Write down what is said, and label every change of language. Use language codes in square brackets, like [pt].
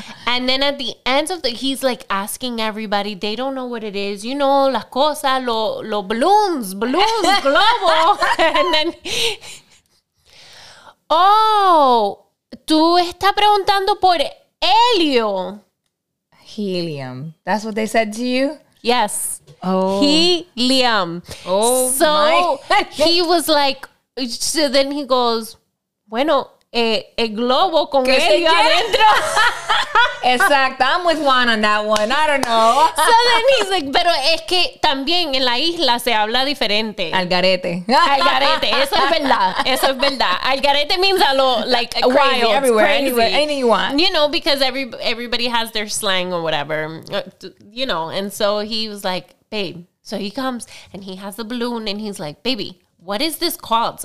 [en] And then at the end of the, he's like asking everybody, they don't know what it is. You know, [es] la cosa, lo balloons, globo. [en] And then, oh, [es] tú estás preguntando por helio. [en] Helium. That's what they said to you? Yes. Oh. Helium. Oh, so my. He was like, so then he goes, [es] bueno, el globo con helio adentro. [en] Exacto. I'm with Juan on that one. I don't know. So then he's like, [es] pero es que también en la isla se habla diferente. Algarete. Algarete. Eso es verdad. Eso es verdad. [en] Algarete means a lot like crazy, wild. Everywhere. Crazy. Anywhere you want. You know, because everybody has their slang or whatever. You know, and so he was like, babe. So he comes and he has the balloon and he's like, baby, what is this called?